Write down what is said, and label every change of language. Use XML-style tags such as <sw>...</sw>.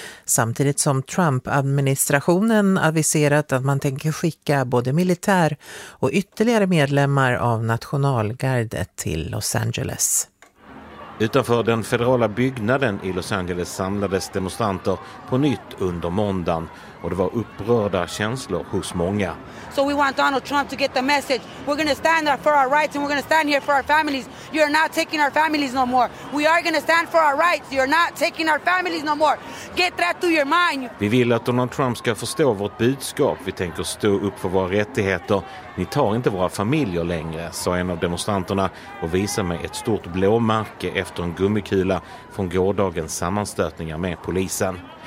<sv>Samtidigt som Trump-administrationen aviserat att man tänker skicka både militär och ytterligare medlemmar av nationalgardet till Los Angeles. Utanför den federala byggnaden i Los Angeles samlades demonstranter på nytt under måndagen, och det var upprörda känslor hos många.</sv> <en>So we want Donald Trump to get the message. We're going to stand up for our rights and we're going to stand here for our families. You're not taking our families no more. We are going to stand for our rights. You're not taking our families no more. Get that to your mind.</en> <sv>Vi vill att Donald Trump ska förstå vårt budskap. Vi tänker stå upp för våra rättigheter. Ni tar inte våra familjer längre, sa en av demonstranterna och visade med ett stort blåmärke efter en gummikula från gårdagens sammanstötningar med polisen.</sv>